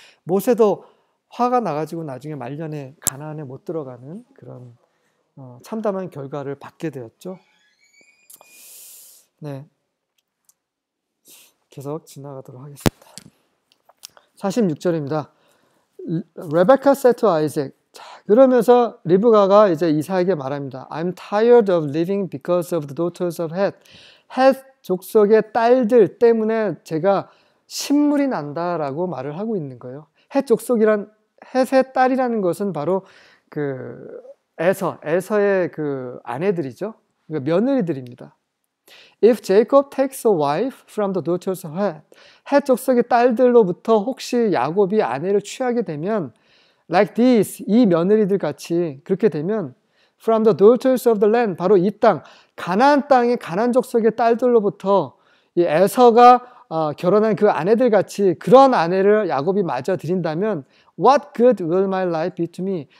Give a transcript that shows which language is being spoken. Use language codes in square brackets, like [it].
[ko] 모세도 화가 나가지고 나중에 말년에 가나안에 못 들어가는 그런 참담한 결과를 받게 되었죠. 네, 계속 지나가도록 하겠습니다. 46절입니다. [en] Rebecca said to Isaac. [ko] 자, 그러면서 리브가가 이제 이삭에게 말합니다. [en] I'm tired of living because of the daughters of Heth. [ko] Heth 족속의 딸들 때문에 제가 신물이 난다라고 말을 하고 있는 거예요. Heth 족속이란 Heth의 딸이라는 것은 바로 그 에서의 그 아내들이죠. 그러니까 며느리들입니다. [en] If Jacob takes a wife from the daughters of Heth, [ko] Heth 족속의 딸들로부터 혹시 야곱이 아내를 취하게 되면 [en] Like this, [ko] 이 며느리들 같이 그렇게 되면 [en] From the daughters of the land, [ko] 바로 이 땅, 가나안 땅의 가나안 족속의 딸들로부터 이 에서가 결혼한 그 아내들 같이 그런 아내를 야곱이 맞아들인다면 [en] What good will my life be to me?